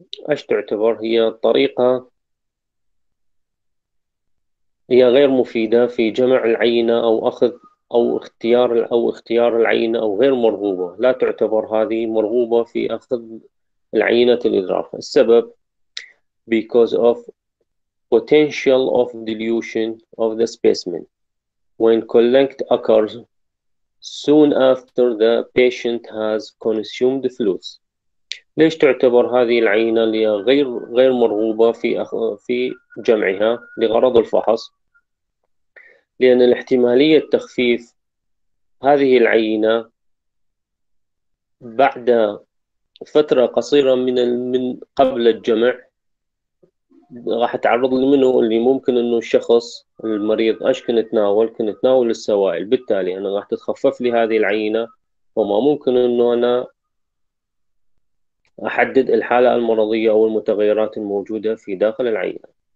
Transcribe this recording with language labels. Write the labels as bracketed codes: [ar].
[ar] إيش تعتبر هي الطريقة؟ هي غير مفيدة في جمع العينة أو أخذ أو اختيار العينة، أو غير مرغوبة، لا تعتبر هذه مرغوبة في أخذ العينة الإدراف. السبب [en] because of potential of dilution of the specimen when collect occurs soon after the patient has consumed fluids. [ar] ليش تعتبر هذه العينة اللي غير مرغوبة في جمعها لغرض الفحص؟ لأن احتمالية تخفيف هذه العينة بعد فترة قصيرة من قبل الجمع راح تعرض لمنه اللي ممكن انه الشخص المريض ايش كنت ناول السوائل، بالتالي انا راح تتخفف لي هذه العينة، وما ممكن انه انا احدد الحالة المرضية او المتغيرات الموجودة في داخل العينة.